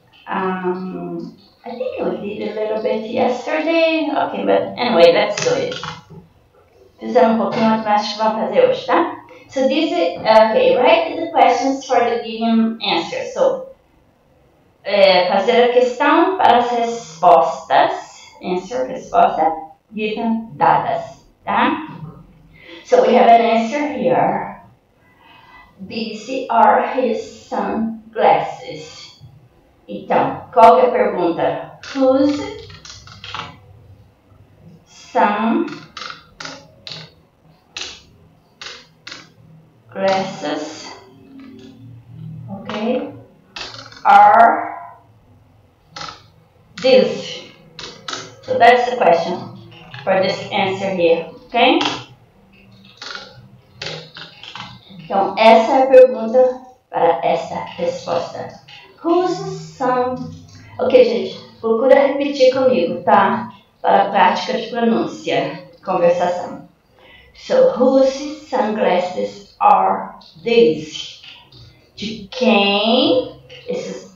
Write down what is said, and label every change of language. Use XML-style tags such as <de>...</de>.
<en>I think we did a little bit yesterday. Okay, but anyway, let's do it.</en> <pt>Fizemos um pouquinho, mas vamos fazer hoje, tá?</pt> <en>So this is, okay, write the questions for the given answer.</en> <pt>So, fazer a questão para as respostas, answer, resposta, given, dadas, tá?</pt> <en>So we have an answer here. These are his sunglasses.</en> <pt>Então, qual que é a pergunta?</pt> <en>Whose sunglasses, okay, are these? So that's the question for this answer here, okay?</en> <pt>Então, essa é a pergunta para essa resposta. Whose sun... Ok, gente, procura repetir comigo, tá? Para a prática de pronúncia, conversação.</pt> <en>So, whose sunglasses are these?</en> <pt>De quem esses</pt>